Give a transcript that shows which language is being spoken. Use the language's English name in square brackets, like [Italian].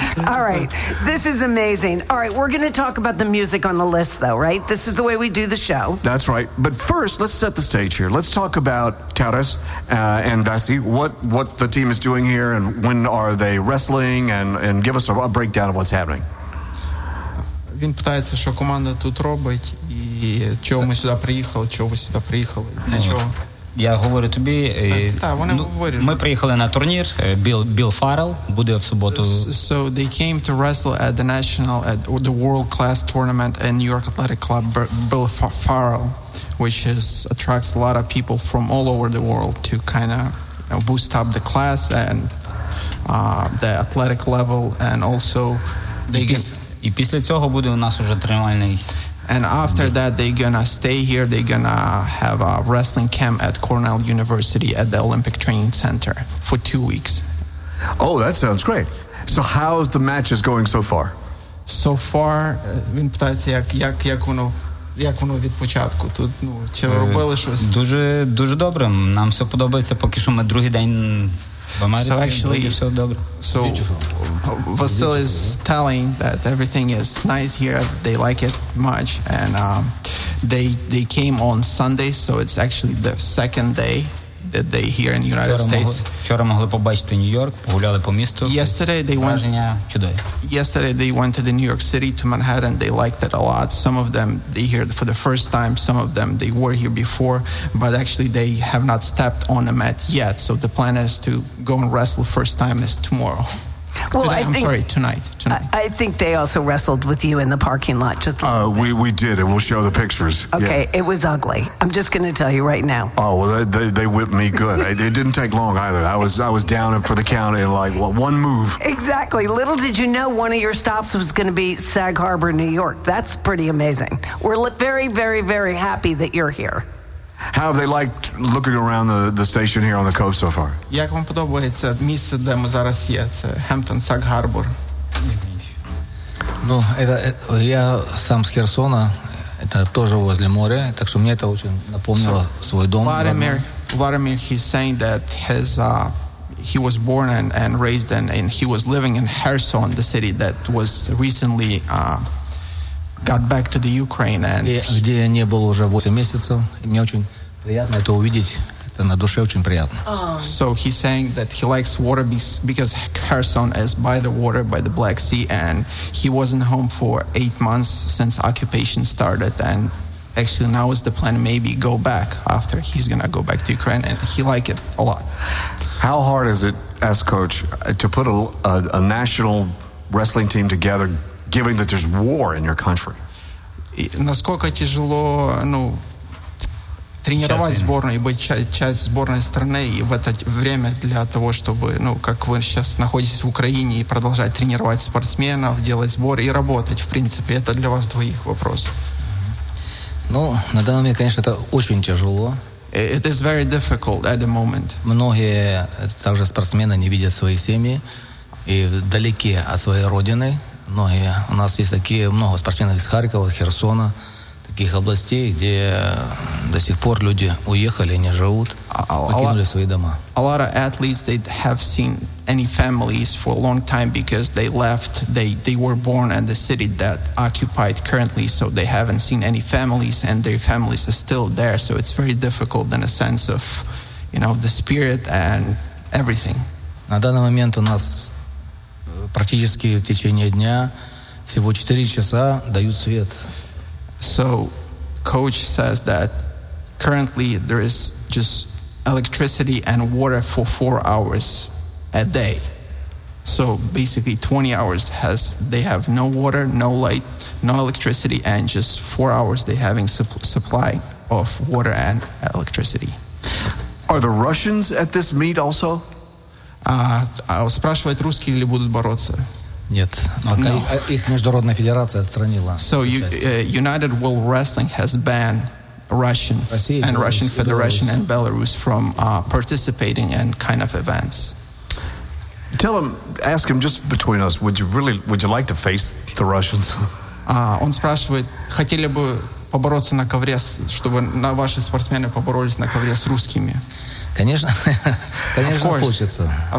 [English] All right, this is amazing. All right, we're going to talk about the music on the list, though, right? This is the way we do the show. That's right. But first, let's set the stage here. Let's talk about Taras and Vasi, what the team is doing here, and when are they wrestling, and give us a breakdown of what's happening. [Ukrainian] Він питається, що команда тут робить, і чого ми сюди приїхали, чого ви сюди приїхали, для чого. Я говорю тобі, ми приїхали на турнір, Білл Фаррелл буде в суботу. [English] So they came to wrestle at the national, at the world-class tournament in New York Athletic Club, Bill Farrell, which is, attracts a lot of people from all over the world to kind of, you know, boost up the class and the athletic level, and also they get... [Ukrainian] І після цього буде у нас уже тренувальний. [English] And after that they're gonna stay here, they're gonna have a wrestling camp at Cornell University at the Olympic Training Center for 2 weeks. Oh, that sounds great. So how's the matches going so far? So far, [Ukrainian] він питається, як воно від початку. Тут, ну, чи робили щось? Дуже, дуже добре. Нам все подобається. Поки що ми другий день. [English] So Vasil is telling that everything is nice here. They like it much, and they came on Sunday, so it's actually the second day that they here in the United States. [Ukrainian] Вчора могли побачити Нью-Йорк, погуляли по місту. [English] Yesterday they went to the New York City, to Manhattan. They liked it a lot. Some of them they here for the first time. Some of them they were here before, but actually they have not stepped on a mat yet. So the plan is to go and wrestle first time is tomorrow. Well, tonight. I think they also wrestled with you in the parking lot. Just we did, and we'll show the pictures. Okay, yeah. It was ugly. I'm just going to tell you right now. Oh, well, they whipped me good. It didn't take long either. I was down for the count in like one move. Exactly. Little did you know one of your stops was going to be Sag Harbor, New York. That's pretty amazing. We're very, very, very happy that you're here. How have they liked looking around the station here on the coast so far? [Ukrainian] Як вам подобається місце, де ми зараз є? Це Hampton Sag Harbor. Ну, я сам з Херсона, це теж возле моря, так що мені це дуже напомнило свій дім. [English] Vladimir, he's saying that he was born and raised and he was living in Kherson, the city that was recently got back to the Ukraine, and [Ukrainian] где я не був уже 8 місяців, і мені дуже приємно це побачити, це на душі дуже приємно. [English] So he's saying that he likes water because Kherson is by the water, by the Black Sea, and he wasn't home for 8 months since occupation started, and actually now is the plan maybe go back after he's going to go back to Ukraine, and he like it a lot. How hard is it, as coach, to put a national wrestling team together, given that there's war in your country? [Ukrainian] Наскільки тяжело, ну, тренувати збірну і бути частиною збірної країни і в це час для того, щоб, ну, як ви зараз знаходитесь в Україні і продовжувати тренувати спортсменів, робити збори і працювати, в принципі, це для вас двох питань. Ну, на даний момент, звісно, це дуже тяжело. [English] It is very difficult at the moment. [Ukrainian] Многі також спортсмени не бачать свої сім'ї і далекі від своєї родини. Ну, у нас є такі, багато спортсменів з Харкова, Херсона, [Russian] таких областей, где до сих пор люди уехали, не живут, покинули свои дома. [English] A lot of athletes, they have seen any families for a long time because they left, they were born in the city that occupied currently, so they haven't seen any families and their families are still there, so it's very difficult in a sense of, you know, the spirit and everything. [Russian] На данный момент у нас практически в течение дня всего 4 часа дают свет. [English] So, coach says that currently there is just electricity and water for 4 hours a day. So basically 20 hours they have no water, no light, no electricity, and just 4 hours they having supply of water and electricity. Are the Russians at this meet also? [Russian] Спрашивает, русские ли будут бороться? Нет, пока их международная федерация отстранила. [English] So United World Wrestling has banned Russian and Russian Federation and Belarus from participating in kind of events. Tell him, ask him just between us, would you like to face the Russians? [Russian] Он спрашивает, хотели бы побороться на ковре, чтобы на ваши спортсмены поборолись на ковре с русскими? Конечно, конечно хочется.